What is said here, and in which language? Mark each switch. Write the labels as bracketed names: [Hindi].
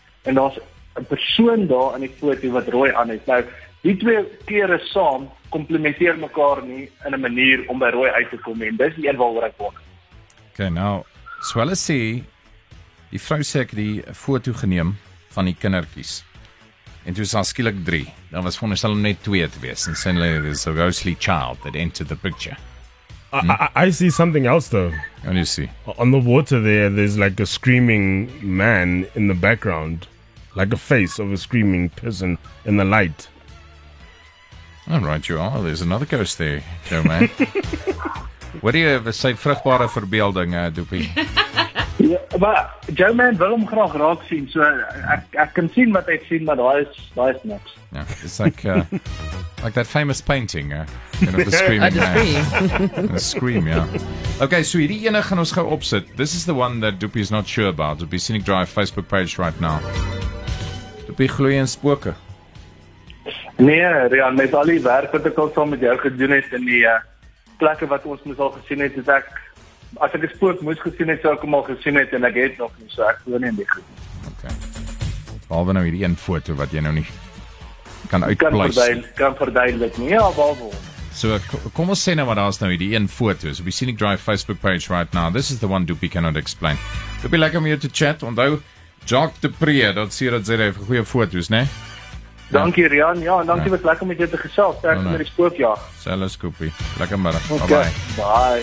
[Afrikaans] En daar's 'n persoon daar in die foto wat rooi aan het. Nou, die twee kleure saam komplementeer mekaar nie in 'n manier om by rooi uit te kom en dis die een waaroor ek wonder. Okay, nou, so hulle sê die vrou sê ek het die foto geneem van die kindertjies. En toe is daar skielik 3. Dan was veronderstel om net 2 te wees. En sê hulle [English] there's a ghostly child that entered the picture. I see something else though. What do you see? On the water there's like a screaming man in the background. Like a face of a screaming person in the light. All right, you are. There's another ghost there, Joe, man. What do you have to say, [Afrikaans] vrugbare verbeelding, [English] Doopie? Yeah, but [Afrikaans] Joe, man, wil hom graag raak sien. So ek kan sien wat ek sien, maar daar is niks. [English] Yeah, it's like like that famous painting, you know, the screaming man. The scream, yeah. Okay, [Afrikaans] so hierdie ene gaan ons gou opsit. [English] This is the one that Doopie is not sure about. Doopie Scenic Drive Facebook page right now. [Afrikaans] Doopie glo in spooke. Nee, Rian, met al die werk wat ek al saam met jou gedoen het in die plekke wat ons mos al gesien het, is ek, as ek 'n spook moes gesien het, sou ek hom al gesien het en ek het nog nie, so ek glo nie in die goed. [English] Okay. [Afrikaans] Behalwe nou hierdie een foto wat jy nou nie kan uitpluis. Kan verduidelik nie, ja, behalwe. So kom ons sê nou wat daar is nou hierdie een foto. [English] So we see Scenic Drive Facebook page right now. This is the one Doopie cannot explain. [Afrikaans] Doopie, lekker om hier te chat. Onthou, Jacques de Pree, dat sê dat sê hy vir goeie foto's, ne? Dankie, Rian. Ja, en dankie wat lekker met jou te gesels. Sterk met die spookjag. Selle Scoopie. Lekker middag. Okay. Bye-bye.